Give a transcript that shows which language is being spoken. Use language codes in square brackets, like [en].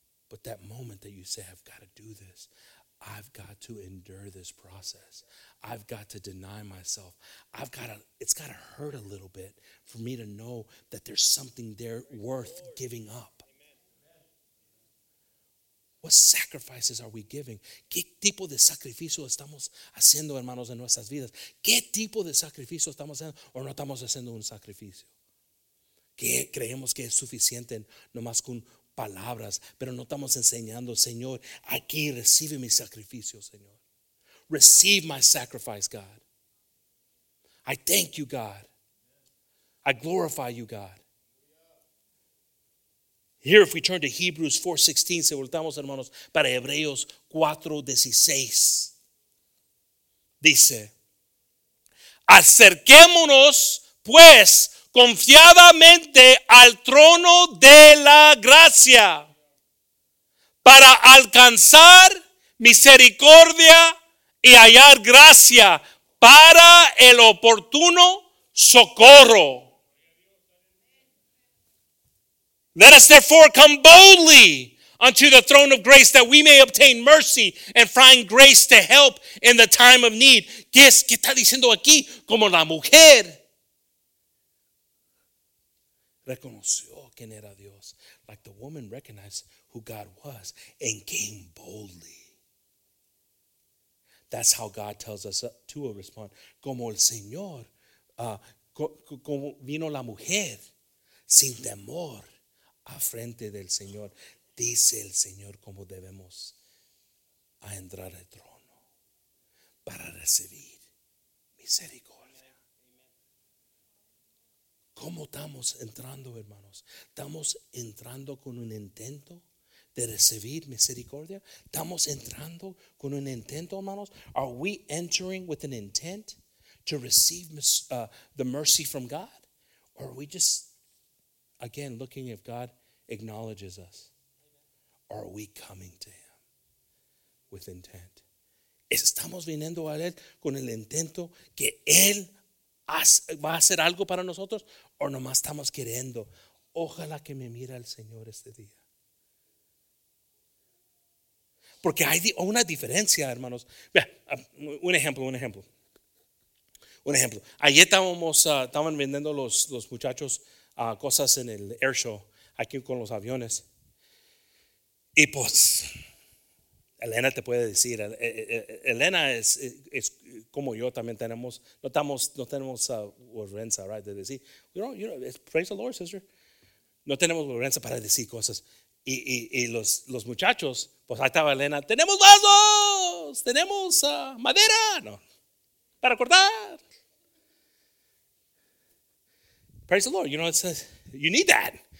[en] But that moment that you say, I've got to do this. I've got to endure this process. I've got to deny myself. It's got to hurt a little bit for me to know that there's something there worth giving up. What sacrifices are we giving? [es] ¿Qué tipo de sacrificio estamos haciendo, hermanos, en nuestras vidas? ¿Qué tipo de sacrificio estamos haciendo o no estamos haciendo un sacrificio? ¿Qué creemos que es suficiente nomás con palabras, pero no estamos enseñando, Señor, aquí recibe mi sacrificio, Señor. [en] Receive my sacrifice, God. I thank you, God. I glorify you, God. Here, if we turn to Hebrews 4:16, [es] se voltamos, hermanos, para Hebreos 4:16. Dice, acerquémonos, pues, confiadamente al trono de la gracia para alcanzar misericordia y hallar gracia para el oportuno socorro. [en] Let us therefore come boldly unto the throne of grace that we may obtain mercy and find grace to help in the time of need. [es] ¿Qué es que está diciendo aquí? Como la mujer reconoció quién era Dios. [en] Like the woman recognized who God was and came boldly. That's how God tells us to respond. [es] Como el Señor, como vino la mujer sin temor a frente del Señor. Dice el Señor cómo debemos a entrar al trono para recibir misericordia. ¿Cómo estamos entrando, hermanos? ¿Estamos entrando con un intento de recibir misericordia? ¿Estamos entrando con un intento, hermanos? [en] Are we entering with an intent to receive the mercy from God? Or are we just, again, looking if God acknowledges us? Or are we coming to Him with intent? [es] ¿Estamos viniendo a Él con el intento que Él va a hacer algo para nosotros? O nomás estamos queriendo. Ojalá que me mira el Señor este día. Porque hay una diferencia, hermanos. Un ejemplo. Ayer estaban vendiendo los muchachos cosas en el air show, aquí con los aviones. Y pues, Elena te puede decir. Elena es como yo también tenemos, no tenemos vergüenza, right, de decir, [en] you know, it's praise the Lord, sister. [es] No tenemos vergüenza para decir cosas. Y los muchachos, pues ahí estaba Elena, tenemos vasos, tenemos madera, no, para cortar. [en] Praise the Lord, you know, it says, you need that.